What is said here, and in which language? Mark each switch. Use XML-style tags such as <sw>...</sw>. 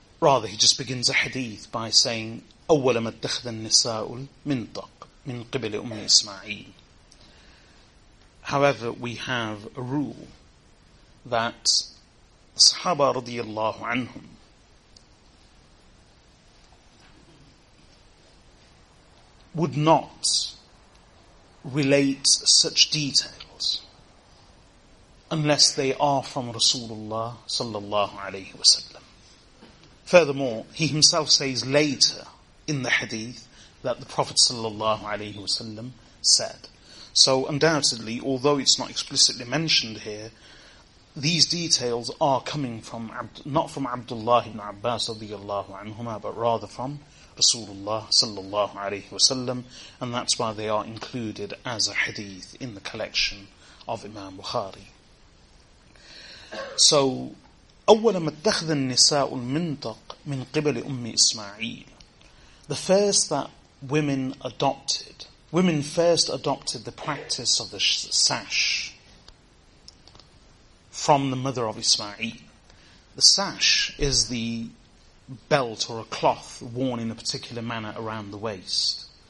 <en>Rather, he just begins a hadith by saying,</en> <ar>أول ما اتخذ النساء المنطق من قبل أم إسماعيل.</ar> <en>However, we have a rule that</en> <ar>الصحابة رضي الله عنهم</ar> <en>would not relate such details unless they are from Rasulullah sallallahu alayhi wasallam. Furthermore, he himself says later in the hadith that the Prophet sallallahu alayhi wasallam said. So undoubtedly, although it's not explicitly mentioned here, these details are coming from not from Abdullah ibn Abbas radiyallahu anhuma, but rather from Rasulullah sallallahu alayhi wasallam, and that's why they are included as a hadith in the collection of Imam Bukhari.</en> <ar>So, أول ما اتخذ النساء المنطق من قبل أم إسماعيل.</ar> <en>The first that women adopted, women first adopted the practice of the sash from the mother of Ismail. The sash is the belt or a cloth worn in a particular manner around the waist.</en>